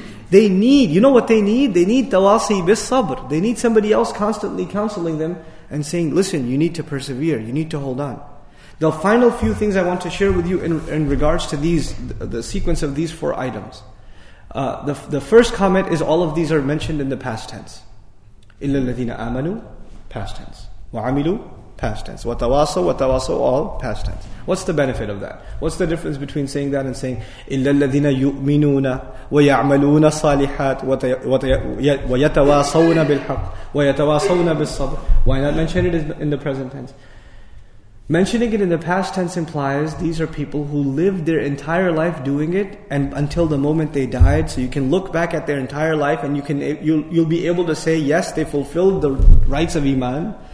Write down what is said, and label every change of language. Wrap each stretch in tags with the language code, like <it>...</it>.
<en>They need, you know what they need? They need</en> <ar>tawasi bis sabr.</ar> <en>They need somebody else constantly counseling them and saying, listen, you need to persevere. You need to hold on. The final few things I want to share with you in regards to these, the sequence of these four items. The first comment is all of these are mentioned in the past tense.</en> <ar>إِلَّا الَّذِينَ آمَنُوا</ar> <en>past tense. وَعَمِلُوا past tense. وَتَوَاصَوْا all past tense. What's the benefit of that? What's the difference between saying that and saying</en> <ar>إِلَّا الَّذِينَ يُؤْمِنُونَ وَيَعْمَلُونَ الصَّالِحَاتِ وَيَتَوَاصَوْنَ بِالْحَقِّ وَيَتَوَاصَوْنَ بِالصَّبْرِ.</ar> <en>Why not mention it in the present tense? Mentioning it in the past tense implies these are people who lived their entire life doing it and until the moment they died. So you can look back at their entire life and you'll be able to say, yes, they fulfilled the rites of Iman.</en>